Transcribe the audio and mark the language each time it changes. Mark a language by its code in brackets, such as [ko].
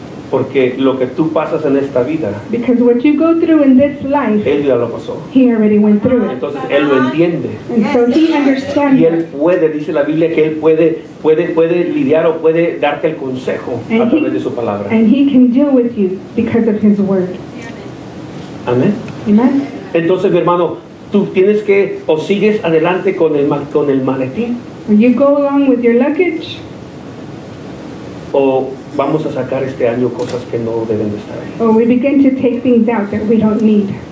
[es] Porque lo que tú pasas en esta vida. [en] Because what you go through in this life. [es] Él ya lo pasó. [en] He already went through it. [es] Entonces él lo entiende. [en] And so he understands. [es] Y él puede, dice la Biblia, que él puede lidiar o puede darte el consejo a través de su palabra. [en] And he can deal with you because of his word. [es] Amén. Entonces, mi hermano, tú tienes que o sigues adelante con el maletín. [en] You go along with your luggage. [es] O vamos a sacar este año cosas que no deben de estar ahí. [en] Or we begin to take things out that we don't need.